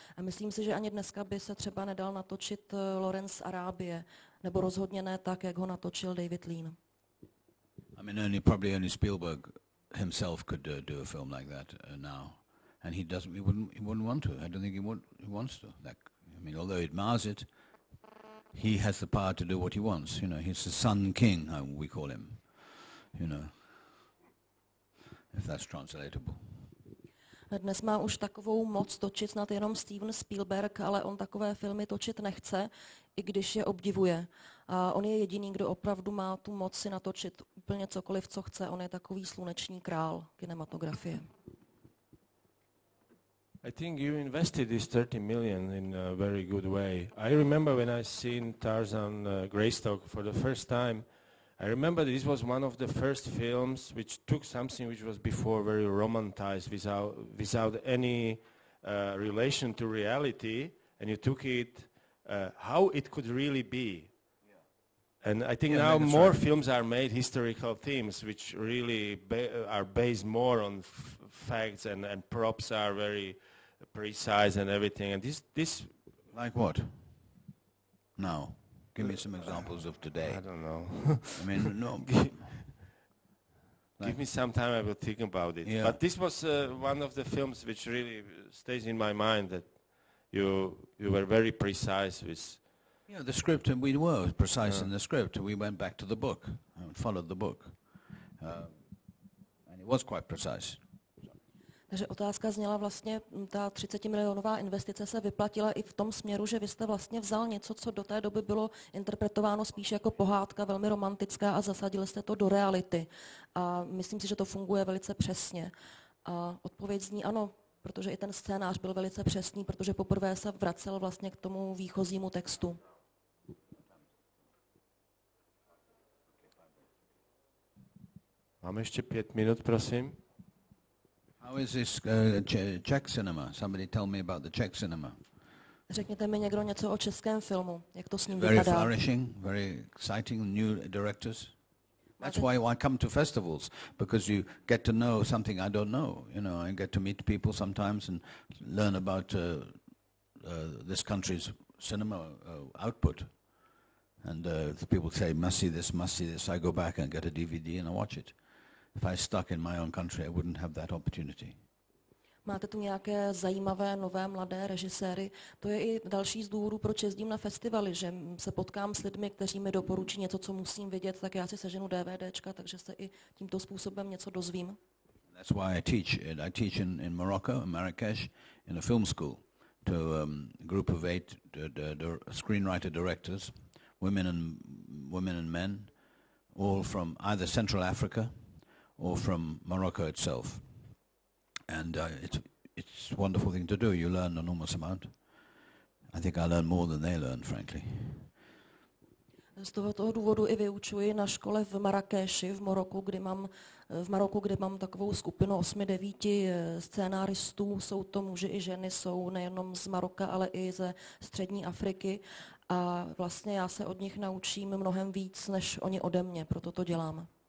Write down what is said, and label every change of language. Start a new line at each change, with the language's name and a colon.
Czech: A myslím si, že ani dneska by se třeba nedal natočit Lawrence Arábie, nebo rozhodně ne tak, jak ho natočil David Lean.
English: I mean, probably only Spielberg himself could do a film like that now. And he wouldn't want to. I don't think he wants to. Like, I mean, although he admires it, he has the power to do what he wants. You know, he's the Sun King, we call him. You know, if that's translatable.
Czech: Dnes má už takovou moc točit snad jenom Steven Spielberg, ale on takové filmy točit nechce, i když je obdivuje. A on je jediný, kdo opravdu má tu moc si natočit úplně cokoliv, co chce. On je takový sluneční král kinematografie.
English: I think you invested this 30 million in a very good way. I remember when I seen Tarzan Greystock for the first time, I remember this was one of the first films which took something which was before very romanticized without any relation to reality, and you took it how it could really be. Yeah. And I think now more right. Films are made historical themes which really are based more on facts and props are very precise and everything. And this like what? Now. Give me some examples of today. I don't know. I mean, no. Give me some time, I will think about it. Yeah. But this was one of the films which really stays in my mind, that you were very precise with... You know, the script, and we were precise in the script. We went back to the book and followed the book. And it was quite precise.
Czech: Takže otázka zněla vlastně, ta 30-milionová investice se vyplatila i v tom směru, že vy jste vlastně vzal něco, co do té doby bylo interpretováno spíš jako pohádka, velmi romantická, a zasadil jste to do reality. A myslím si, že to funguje velice přesně. A odpověď zní ano, protože i ten scénář byl velice přesný, protože poprvé se vracel vlastně k tomu výchozímu textu. Máme ještě 5 minut, prosím.
English: How is this Czech cinema? Somebody tell me about the Czech cinema.
Czech: Řekněte mi někdo něco o českém filmu. Jak to s ním vypadá?
English: Very flourishing, very exciting, new directors. That's why I come to festivals, because you get to know something I don't know. You know, I get to meet people sometimes and learn about this country's cinema output. And the people say, must see this, I go back and get a DVD and I watch it. If I stuck in my own country, I wouldn't have that opportunity.
Czech: Máte tu nějaké zajímavé nové mladé režiséry? To je i další z důvodů, proč jezdím na festivaly, že se potkám s lidmi, kteří mi doporučí něco, co musím vidět, tak já si seženu DVDčka, takže se i tímto způsobem něco dozvím.
English: That's why I teach it. I teach in Morocco, in Marrakesh, in a film school to a group of 8 screenwriter directors, women and men, all from either Central Africa or from Morocco itself. And it's a wonderful thing to do. You learn an enormous amount. I think I learn more than they learn, frankly.
Czech: Z toho důvodu i vyučuji na škole v Marrakeši, v Maroku, kde mám takovou skupinu 8-9 scénáristů. Jsou to muži i ženy, jsou nejenom z Maroka, ale i ze střední Afriky. A vlastně já se od nich naučím mnohem víc, než oni ode mě, proto to dělám.